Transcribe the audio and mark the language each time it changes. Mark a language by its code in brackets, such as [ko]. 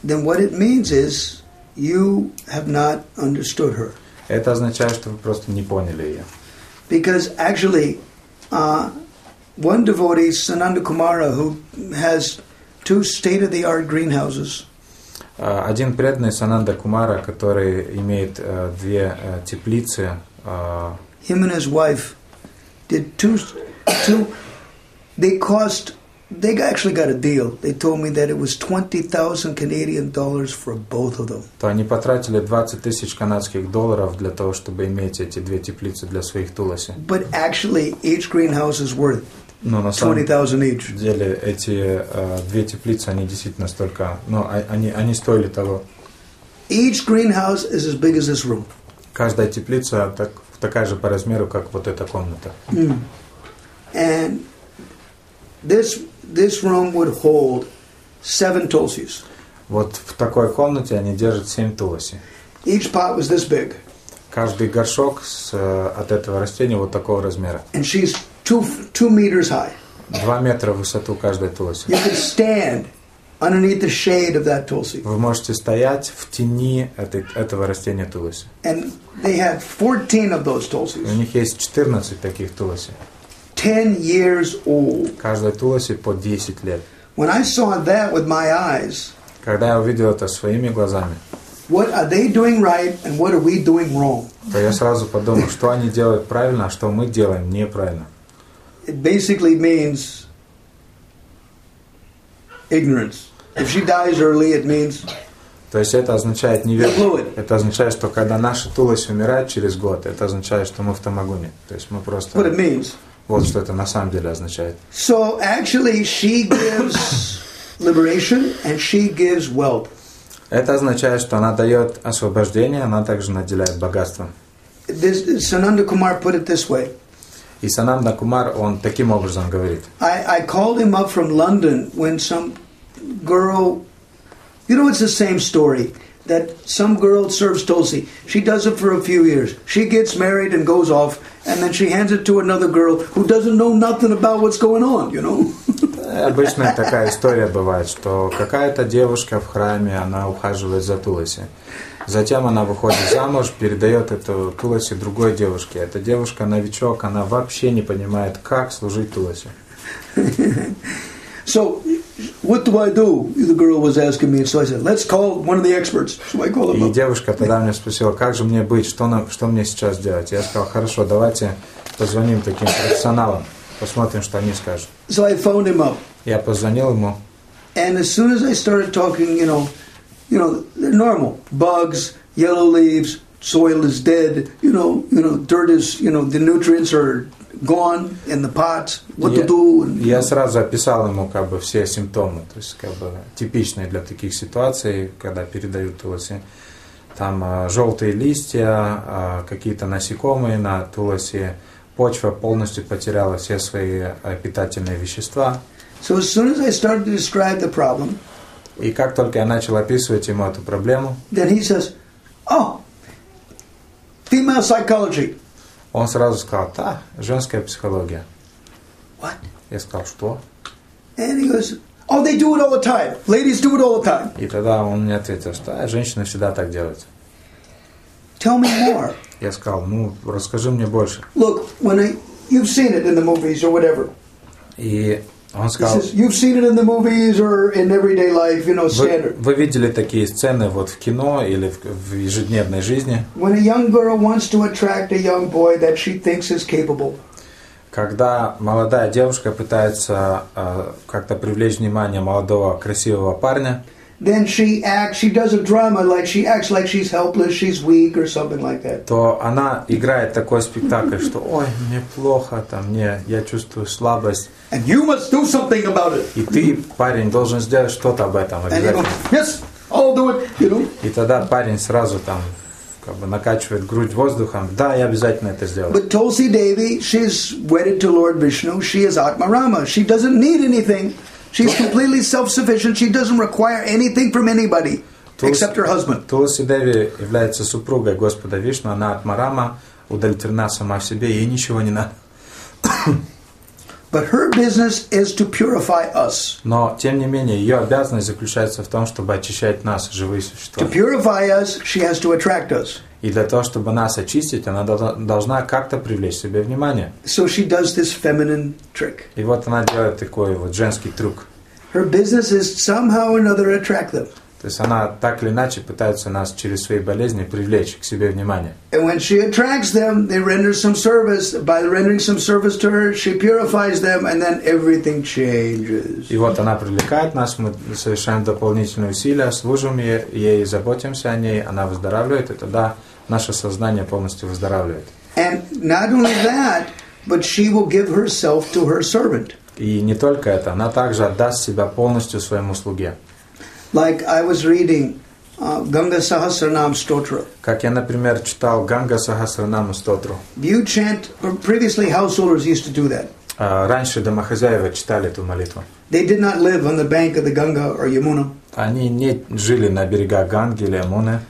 [en] Then what it means is, you have not understood her. [ru] Это означает, что вы просто не поняли ее. [en] Because actually, one devotee, Sananda Kumara, who has 2 state-of-the-art greenhouses. [ru] Один преданный Сананда Кумара, который имеет 2 теплицы. [en] Him and his wife did two. They cost They actually got a deal. They told me that it was $20,000 for both of them. [ru] То они потратили 20,000 канадских долларов для того, чтобы иметь эти две теплицы для своих туласи. [en] But actually, each greenhouse is worth $20,000 each. [ru] Деле эти две теплицы они действительно столько, но они стоили того. [en] Each greenhouse is as big as this room. [ru] Каждая теплица такая же по размеру, как вот эта комната. [en] And this room would hold 7 tulsis. [ru] Вот в такой комнате они держат 7 туласи. [en] Each pot was this big. [ru] Каждый горшок от этого растения вот такого размера. [en] And she's 2 meters high. [ru] 2 метра в высоту каждой туласи. [en] You could stand underneath the shade of that tulsi. [ru] Вы можете стоять в тени этого растения туласи. [en] And they had 14 of those tulsis. [ru] У них есть 14 таких туласи. [en] 10 years old. [ru] Каждой туласи по 10 лет. [en] When I saw that with my eyes, [ru] когда я увидел это своими глазами, [en] what are they doing right and what are we doing wrong? [ru] То я сразу подумал, что они делают правильно, а что мы делаем неправильно. [en] It basically means ignorance. If she dies early, it means. [ru] То есть это означает неверие. Это означает, что когда наша туласи умирает через год, это означает, что мы в тамагуне. То есть мы просто. [en] What it means. [ru] Вот что это на самом деле означает. [en] So actually, she gives liberation and she gives wealth. [ru] Это означает, что она дает освобождение, она также наделяет богатством. [en] Сананда Кумар put it this way. [ru] И Сананда Кумар, он таким образом говорит. [en] I called him up from London when some girl, you know, it's the same story. That some girl serves Tulsi. She does it for a few years. She gets married and goes off, and then she hands it to another girl who doesn't know nothing about what's going on, you know? [ru] Обычно такая история бывает, что какая-то девушка в храме, она ухаживает за Тулоси. Затем она выходит замуж, передает эту Тулоси другой девушке. Эта девушка новичок, она вообще не понимает, как служить Тулоси. [en] So, what do I do? The girl was asking me, so I said, "Let's call one of the experts." So I called him. [ru] И девушка тогда меня спросила, как же мне быть, что мне сейчас делать? Я сказал, хорошо, давайте позвоним таким профессионалам, посмотрим, что они скажут. [en] So I phoned him up. [ru] Я позвонил ему. [en] And as soon as I started talking, you know, normal bugs, yellow leaves, soil is dead, you know, dirt is, you know, the nutrients are. Gone in the pot. What to do? [ru] Я сразу описал ему как бы все симптомы, то есть как бы типичные для таких ситуаций, когда передают туласи. Там желтые листья, какие-то насекомые на туласи, почва полностью потеряла все свои питательные вещества. [en] So as soon as I started to describe the problem, [ru] и как только я начал описывать ему эту проблему, [en] then he says, "Oh, female psychology." [ru] Он сразу сказал, да, женская психология. [en] What? [ru] Я сказал, что? [en] And he goes, oh, they do it all the time. Ladies do it all the time. [ru] И тогда он мне ответил, что женщины всегда так делают. [en] Tell me more. [ru] Я сказал, ну, расскажи мне больше. [en] Look, you've seen it in the movies or whatever. [ru] И он сказал, [en] he says, you've seen it in the movies or in everyday life, you know, standard. [ru] Вы видели такие сцены вот в кино или в ежедневной жизни? [en] When a young girl wants to attract a young boy that she thinks is capable. [ru] Когда молодая девушка пытается как-то привлечь внимание молодого красивого парня, [en] then she does a drama like she acts like she's helpless, she's weak or something like that. [ru] То она играет такой спектакль, что ой, мне плохо там, мне я чувствую слабость. [en] And you must do something about it. [ru] И ты, парень, должен сделать что-то об этом обязательно. [en] And you go, yes, I'll do it, you know. [ru] И тогда парень сразу там как бы накачивает грудь воздухом. Да, я обязательно это сделаю. [en] But Tulsi Devi, she's wedded to Lord Vishnu, she is Atma Rama. She doesn't need anything. She's completely self-sufficient. She doesn't require anything from anybody except her husband. [ru] Tulsi Devi является супругой Господа Вишну, она Атма Рама, удовлетворена сама в себе, ей ничего не надо. [en] But her business is to purify us. [ru] Но тем не менее ее обязанность заключается в том, чтобы очищать нас, живые существа. [en] To purify us, she has to attract us. [ru] И для того, чтобы нас очистить, она должна как-то привлечь себе внимание. [en] So she does this feminine trick. [ru] И вот она делает такой вот женский трюк. [en] Her business is somehow or another attract them. [ru] То есть она так или иначе пытается нас через свои болезни привлечь к себе внимание. [en] And when she attracts them, they render some service. By rendering some service to her, she purifies them, and then everything changes. [ru] И вот она привлекает нас, мы совершаем дополнительные усилия, служим ей, заботимся о ней, она выздоравливает, и тогда наше сознание полностью выздоравливает. [en] And not only that, but she will give herself to her servant. [ru] И не только это, она также отдаст себя полностью своему слуге. [en] Like I was reading Ganga Sahasranam Stotra. [ru] Как я, например, читал Ганга Сахасранам Стотру. [en] You chant, previously householders used to do that. [ru] Раньше домохозяева читали эту молитву. [en] They did not live on the bank of the Ganga or Yamuna. [ru] Они не жили на берегах Ганги или Ямуны.